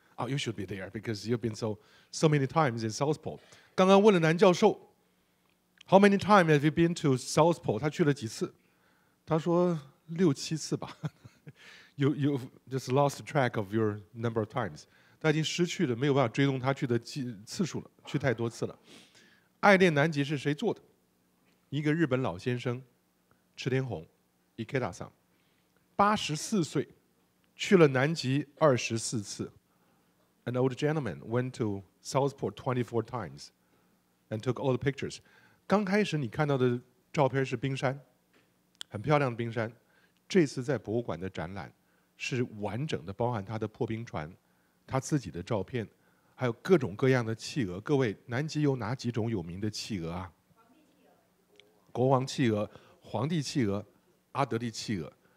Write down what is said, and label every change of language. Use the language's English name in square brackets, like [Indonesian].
[English] Oh, you should be there because you've been so many times in South Pole. [Chinese] 刚刚问了南教授 [English] How many times have you been to South Pole? [Chinese] 他去了几次？他说6-7次吧。 [English] You just lost track of your number of times. [Chinese] 他已经失去了，没有办法追踪他去的次数了，去太多次了。爱恋南极是谁做的？一个日本老先生，池田宏 Ikeda-san， 84岁。去了南极24次 ， [English] An old gentleman went to South Pole 24 times and took all the pictures。 [Chinese] 刚开始你看到的照片是冰山，很漂亮的冰山。这次在博物馆的展览是完整的，包含他的破冰船、他自己的照片，还有各种各样的企鹅。各位，南极有哪几种有名的企鹅啊？国王企鹅、皇帝企鹅、阿德利企鹅。